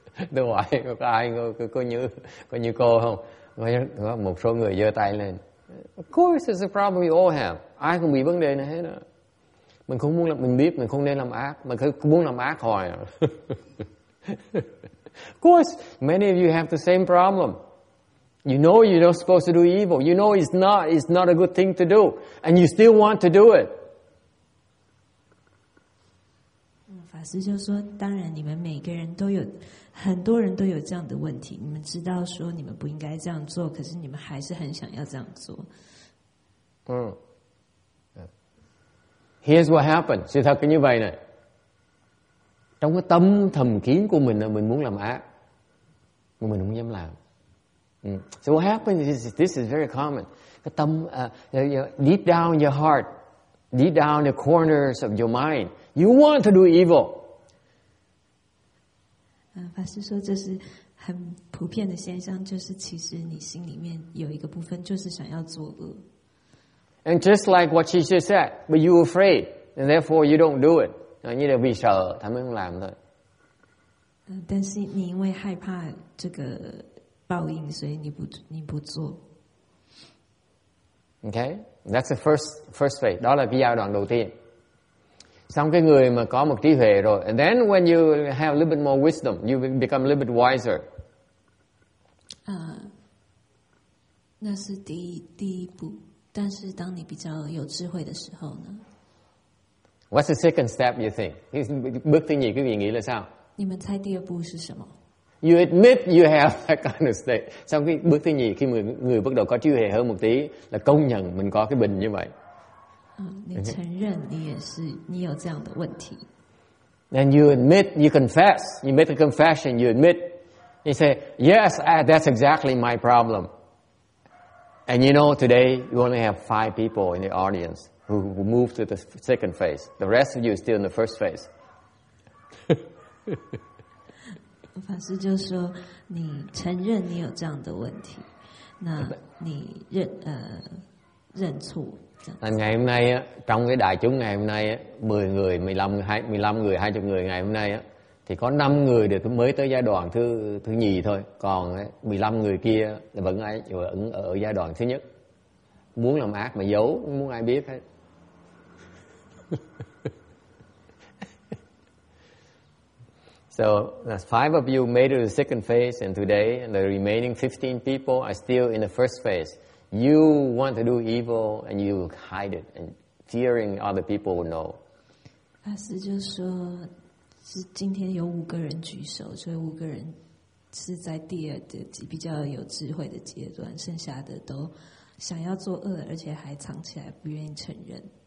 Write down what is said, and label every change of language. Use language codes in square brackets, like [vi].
[vi] Đâu phải có ai có như cô không? Có một số người giơ tay lên. [en] Of course, it's a problem we all have. [vi] Ai cũng bị vấn đề này hết đó. Mình không muốn làm, mình biết mình không nên làm ác, mình cứ muốn làm ác hoài. [en] Of course, many of you have the same problem. You know you're not supposed to do evil. You know it's not a good thing to do, and you still want to do it. [zh] 法师就说，当然你们每个人都有，很多人都有这样的问题。你们知道说你们不应该这样做，可是你们还是很想要这样做。 [en] Here's what happened. [vi] Sự thật như vậy này. Trong cái tâm thầm kín của mình là mình muốn làm ác, mà mình không dám làm. [en] So what happened is this is very common. [vi] Cái tâm [en] deep down your heart, deep down the corners of your mind, you want to do evil. [zh] 法师说这是很普遍的现象，就是其实你心里面有一个部分就是想要作恶。 [en] And just like what she just said, but you're afraid, and therefore you don't do it. [vi] Như là vì sợ, họ không làm thôi. [zh] 但是你因为害怕这个报应，所以你不做。 [en] Okay, that's the first phase. [vi] Đó là cái giai đoạn đầu tiên. Xong cái người mà có một trí huệ rồi, [en] and then when you have a little bit more wisdom, you become a little bit wiser. [zh] 那是第一步。但是当你比较有智慧的时候呢？ [en] What's the second step you think? [vi] Bước thứ nhì, quý vị nghĩ là sao? [zh] 你们猜第二步是什么？ [en] You admit you have that kind of state. [vi] Sau khi bước thứ nhì, khi người bắt đầu có trí huệ hơn một tí, là công nhận mình có cái bệnh như vậy. [zh] 你承认你也是，你有这样的问题。 [en] Then you admit, you confess, you make a confession, you admit. You say, yes, that's exactly my problem. And you know, today, you only have 5 people in the audience who moved to the second phase. The rest of you are still in the first phase. [zh] 法师就说，你承认你有这样的问题，那你认错， [vi] Thành ngày hôm nay á, trong cái đại chúng ngày hôm nay á, 10 người, 15, 15 người, 20 người ngày hôm nay á, thì có 5 người được mới tới giai đoạn thứ nhì thôi. Còn 15 người kia là vẫn ai ở giai đoạn thứ nhất. Muốn làm ác mà giấu, không muốn ai biết hết. [en] So, that's 5 of you made it to the second phase, and today the remaining 15 people are still in the first phase. You want to do evil and you hide it and fearing other people will know. [zh] 老师就说, 今天有五个人举手, 所以五个人是在第二的比较有智慧的阶段, 剩下的都想要作恶, 而且还藏起来, 不愿意承认。